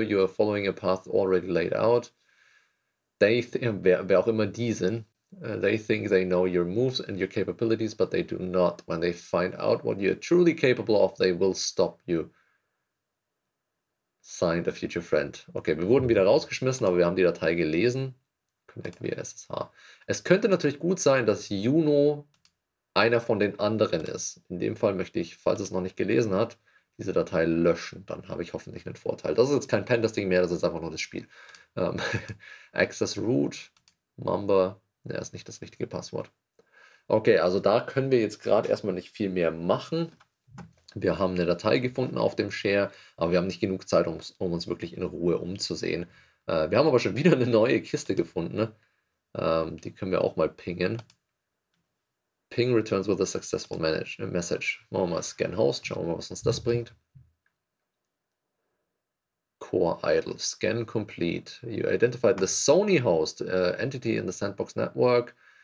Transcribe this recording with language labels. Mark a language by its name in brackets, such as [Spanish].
[English] You are following a path already laid out. [German] Wer auch immer die sind. [English] They think they know your moves and your capabilities, but they do not. When they find out what you are truly capable of, they will stop you. Signed a future friend. [German] Okay, wir wurden wieder rausgeschmissen, aber wir haben die Datei gelesen. Connect via SSH. Es könnte natürlich gut sein, dass Juno einer von den anderen ist. In dem Fall möchte ich, falls es noch nicht gelesen hat, diese Datei löschen. Dann habe ich hoffentlich einen Vorteil. Das ist jetzt kein Pentesting mehr, das ist einfach nur das Spiel. Access Root, Mamba, ja, ist nicht das richtige Passwort. Okay, also da können wir jetzt gerade erstmal nicht viel mehr machen. Wir haben eine Datei gefunden auf dem Share, aber wir haben nicht genug Zeit, um uns wirklich in Ruhe umzusehen. Wir haben aber schon wieder eine neue Kiste gefunden. Die können wir auch mal pingen. [English] Ping returns with a successful message. [German] Machen wir mal Scan Host, schauen wir mal, was uns das bringt. [English] Core idle. Scan complete. You identified the Sony host entity in the Sandbox network.